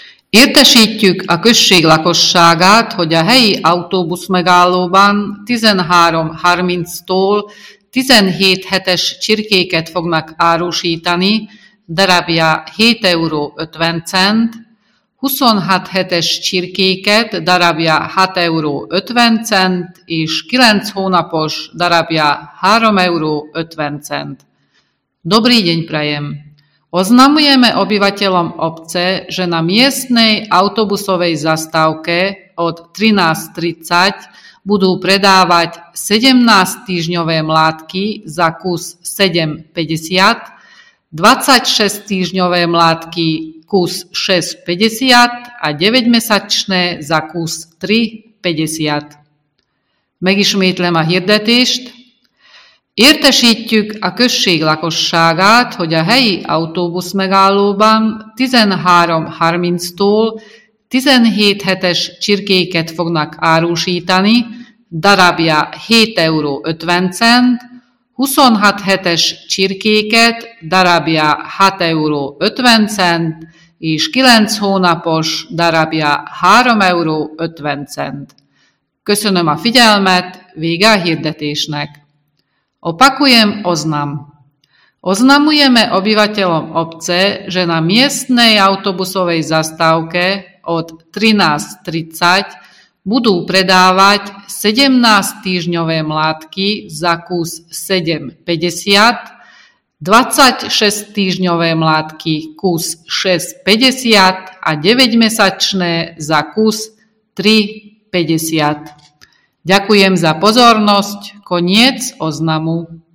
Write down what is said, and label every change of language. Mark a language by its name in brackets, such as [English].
[Hungarian] Értesítjük a község lakosságát, hogy a helyi autóbusz megállóban 13.30-tól 17 hetes csirkéket fognak árusítani, darabja 7,50 €, 26 hetes csirkéket, darabja 6,50 €, és 9 hónapos, darabja 3,50 €. [Slovak] Dobrý deň prajem! Oznamujeme obyvateľom obce, že na miestnej autobusovej zastávke od 13.30 budú predávať 17-týždňové mládky za kus 7,50, 26-týždňové mládky kus 6,50 a 9-mesačné za kus 3,50. [Hungarian] Megismétlem a hirdetést. Értesítjük a község lakosságát, hogy a helyi autóbusz megállóban 13.30-tól 17 hetes csirkéket fognak árusítani, darabja 7,50 €, 26 hetes csirkéket, darabja 6,50 € és 9 hónapos, darabja 3,50 €. Köszönöm a figyelmet, vége a hirdetésnek. [Slovak] Opakujem oznam. Oznamujeme obyvateľom obce, že na miestnej autobusovej zastávke od 13.30 budú predávať 17-týždňové mládky za kus 7,50, 26-týždňové mládky kus 6,50 a 9-mesačné za kus 3,50. Ďakujem za pozornosť. Koniec oznamu.